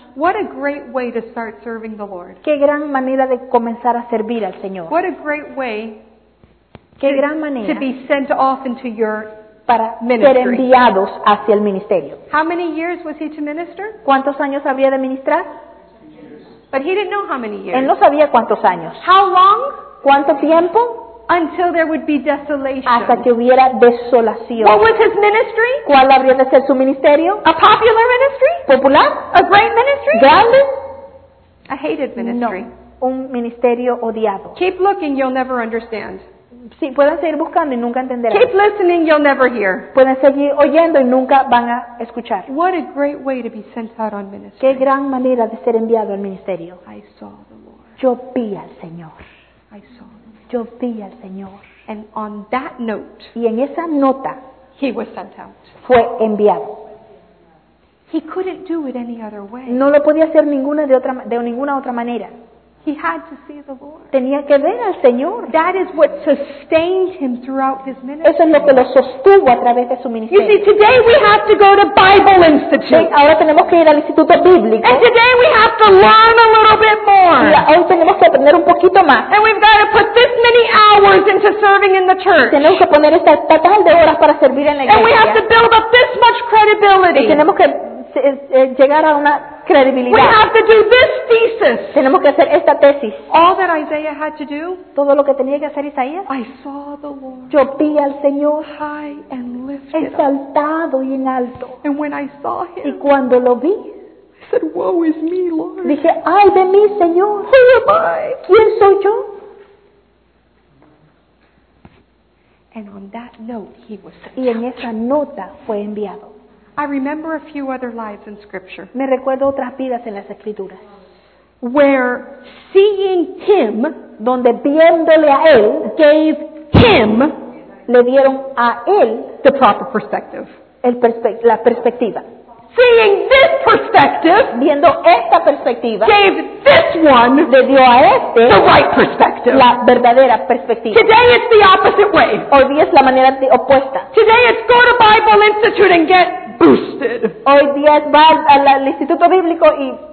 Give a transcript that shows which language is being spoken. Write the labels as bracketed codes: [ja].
[en] What a great way to start serving the Lord. [es] Qué gran manera de comenzar a servir al Señor. [en] What a great way. [es] Qué gran manera. [en] To be sent off into your [es] para [en] ministry. [es] Ser enviados hacia el ministerio. [en] How many years was he to minister? [es] ¿Cuántos años había de ministrar? [en] But he didn't know how many years. [es] Él no sabía cuántos años. [en] How long? [es] ¿Cuánto tiempo? [en] Until there would be desolation. [es] Hasta que hubiera desolación. [en] What was his ministry? [es] ¿Cuál habría de ser su ministerio? [en] A popular ministry? [es] Popular? [en] A great ministry? [es] Grande? [en] A hated ministry. [es] No, un ministerio odiado. [en] Keep looking, you'll never understand. [es] Sí, pueden seguir buscando y nunca entenderán. [en] Keep listening, you'll never hear. [es] Pueden seguir oyendo y nunca van a escuchar. [en] What a great way to be sent out on ministry. [es] Qué gran manera de ser enviado al ministerio. [en] I saw the Lord. [es] Yo vi al Señor. [en] I saw. [es] Yo vi al Señor. [en] And on that note, [es] y en esa nota, [en] he was sent out. [es] Fue enviado. [en] He couldn't do it any other way. [es] No lo podía hacer de ninguna otra manera. [en] He had to see the Lord. [es] Tenía que ver al Señor. [en] That is what sustained him throughout his ministry. [es] Eso es lo que lo sostuvo a través de su ministerio. [en] You see, today we have to go to Bible Institute. [es] Sí, ahora tenemos que ir al Instituto Bíblico. [en] And today we have to learn a little bit more. [es] Y hoy tenemos que aprender un poquito más. [en] And we've got to put this many hours into serving in the church. [es] Y tenemos que poner esta tantas de horas para servir en la iglesia. [en] And we have to build up this much credibility. [es] Y tenemos que llegar a una credibilidad. [en] We have to do this thesis. [es] Tenemos que hacer esta tesis. [en] All that Isaiah had to do. [es] Todo lo que tenía que hacer Isaías. [en] I saw the Lord. [es] Yo vi al Señor. [en] High and lifted. [es] Exaltado y en alto. [en] And when I saw him. [es] Y cuando lo vi. [en] I said, woe is me, Lord. [es] Dije, ay de mí, Señor. [en] Who am I? [es] ¿Quién soy yo? [en] And on that note, he was sent. [es] Y en esa nota fue enviado. [en] I remember a few other lives in Scripture. [es] Me recuerdo otras vidas en las Escrituras. [en] Where seeing him, [es] donde viéndole a él, [en] gave him, [es] le dieron a él, [en] the proper perspective. [es] La perspectiva. [en] Seeing this perspective, [es] viendo esta perspectiva, [en] gave this one, [es] le dio a este, [en] the right perspective. [es] La verdadera perspectiva. [en] Today it's the opposite way. [es] Hoy día es la manera opuesta. [en] Today it's go to Bible Institute and get [es] hoy día es va al Instituto Bíblico y